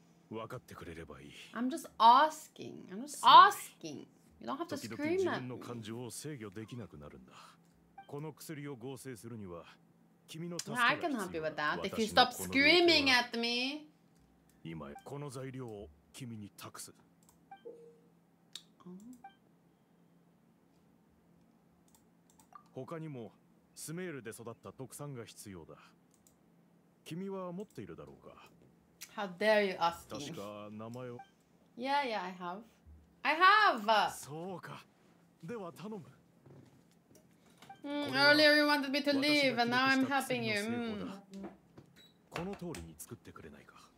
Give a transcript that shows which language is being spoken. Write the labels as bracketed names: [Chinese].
[Japanese] 分かってくれればいい。 [English] I'm just asking. I'm just asking. You don't have to scream at me. [Japanese] 時々自分の感情を制御できなくなるんだ。この薬を合成するには君の助けが必要だ。 [English] I can help you with that if you stop screaming at me. [Japanese] 今この材料を君に託す。他にもスメールで育った特産が必要だ。君は持っているだろうか。 [English] How dare you ask me? [Japanese] 確か名前を。 [English] Yeah, yeah, I have. I have! [Japanese] そうか。では頼む。 [English] Earlier you wanted me to leave, and now I'm helping you. [Japanese] この通りに作ってくれないか。